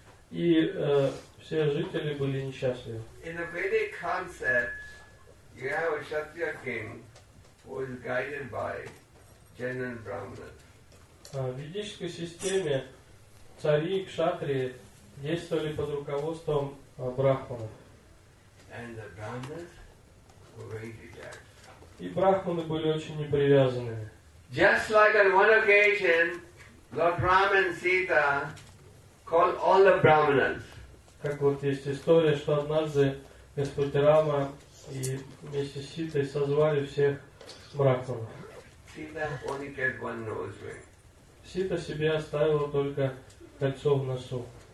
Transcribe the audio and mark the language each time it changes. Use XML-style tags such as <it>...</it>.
<ru>И все жители были несчастливы.</ru> <en>In the Vedic concept, you have a Kshatriya king who is guided by general Brahmanas.</en> <ru>В ведической системе цари и кшатрии действовали под руководством брахманов.</ru> <en>And the Brahmanas were very detached.</en> <ru>И брахманы были очень непривязанными.</ru> <en>Just like on one occasion, Lord Ram and Sita called all the Brahmanas.</en> <ru>Как вот есть история, что однажды Господь Рама и вместе с Ситой созвали всех брахманов. Сита себе оставила только кольцо в носу.</ru>